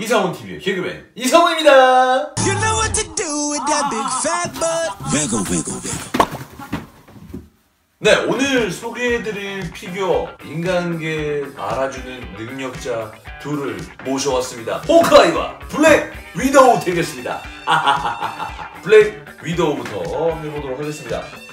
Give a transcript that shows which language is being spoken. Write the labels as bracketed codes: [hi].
[ko] 이상훈 TV의 개그맨 이상훈입니다. [en] You know what to do with that big fat butt. Wiggle, wiggle, wiggle. [ko] 네, 오늘 소개해드릴 피규어 인간계 알아주는 능력자 둘을 모셔왔습니다. 호크아이와 블랙 위도우 되겠습니다. 블랙 위도우부터 해보도록 하겠습니다.